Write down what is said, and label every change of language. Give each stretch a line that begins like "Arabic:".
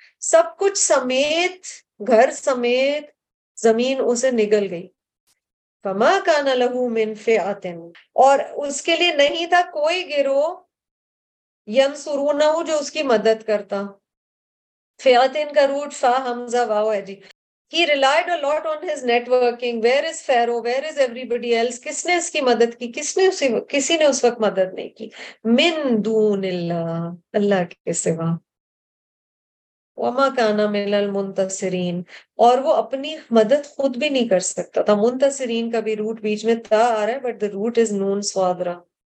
Hindi: सब कुछ समेत, घर समेत जमीन उसे निगल गई.
Arabic: फमा कान लहू मिन फियातिन,
Hindi: और उसके लिए नहीं था कोई गिरोह यंसुरूनहू जो उसकी मदद करता. फियातिन का रूट फा हमजा वाव है जी.
English: He relied a lot on his networking. Where is Pharaoh? Where is everybody else?
Hindi: किसने उसकी मदद की? किसने उसे, किसी ने उस वक्त मदद नहीं की.
Arabic: मिन दूनिल्लाह,
Hindi: अल्लाह के सिवा.
Arabic: वमा काना मिनल मुंतसिरीन,
Hindi: और वो अपनी मदद खुद भी नहीं कर सकता था. मुंतसिरीन का भी रूट बीच में था आ रहा है,
English: but the route is
Hindi: Noon स्वादरा.